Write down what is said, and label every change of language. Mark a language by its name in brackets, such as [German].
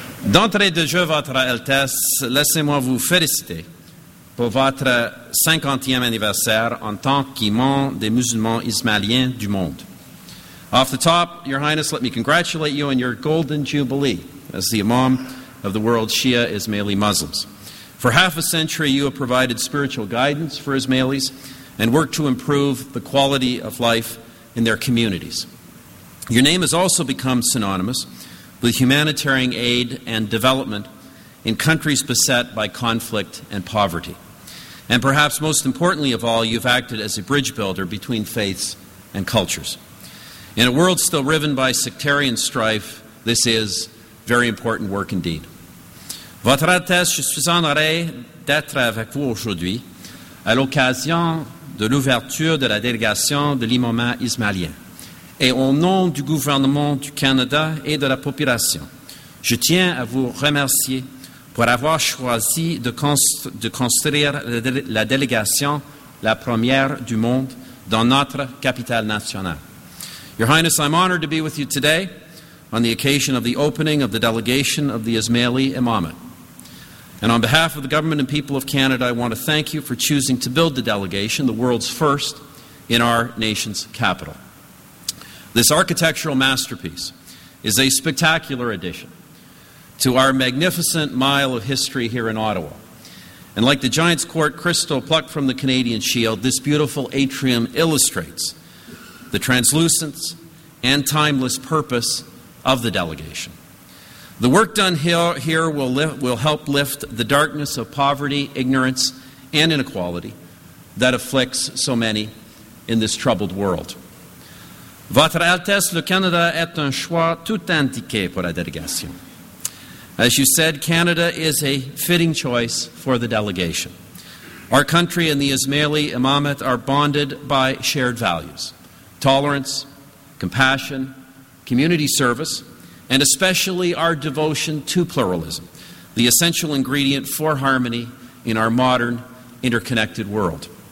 [French] D'entrée de jeu, Votre Altesse, laissez-moi vous féliciter pour votre 50e anniversaire en tant qu'imam des musulmans ismaéliens du monde. [English] Off the top, Your Highness, let me congratulate you on your golden jubilee as the imam of the world's Shia Ismaili Muslims. For half a century, you have provided spiritual guidance for Ismailis and worked to improve the quality of life in their communities. Your name has also become synonymous with humanitarian aid and development in countries beset by conflict and poverty. And perhaps most importantly of all, you've acted as a bridge builder between faiths and cultures. In a world still riven by sectarian strife, this is very important work indeed. [French] Votre Altesse, je suis honoré d'être avec vous aujourd'hui à l'occasion de l'ouverture de la délégation de l'imamat ismaélien. Et au nom du gouvernement du Canada et de la population, je tiens à vous remercier pour avoir choisi de construire la délégation la première du monde dans notre capitale nationale. [English] Your Highness, I'm honored to be with you today on the occasion of the opening of the delegation of the Ismaili imamat. And on behalf of the government and people of Canada, I want to thank you for choosing to build the delegation, the world's first, in our nation's capital. This architectural masterpiece is a spectacular addition to our magnificent mile of history here in Ottawa. And like the Giant's Court crystal plucked from the Canadian Shield, this beautiful atrium illustrates the translucence and timeless purpose of the delegation. The work done here will help lift the darkness of poverty, ignorance, and inequality that afflicts so many in this troubled world. [French] Votre Altesse, le Canada est un choix tout indiqué pour la délégation. [English] As you said, Canada is a fitting choice for the delegation. Our country and the Ismaili imamat are bonded by shared values: tolerance, compassion, community service, and especially our devotion to pluralism, the essential ingredient for harmony in our modern, interconnected world.